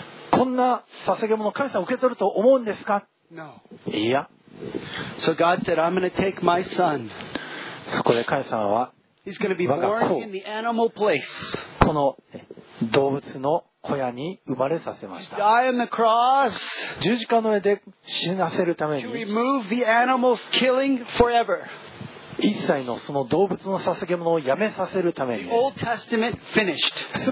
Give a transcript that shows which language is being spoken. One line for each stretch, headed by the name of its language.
Japanese: こんな捧げ物を神様受け取ると思うんですか？
English: No.
Japanese: いや。
English: So God said, I'm going to take my son.
Japanese: そこで神様は、
English: He's going to be born in the animal place.
Japanese: この、ね、動物の小屋に生まれさせました。
English: Die on the cross.
Japanese: 十字架の上で死なせるために。
English: To remove the animal's killing forever.
Japanese: 一切のその動物の捧げ物をやめさせるために。
English: The Old Testament finished.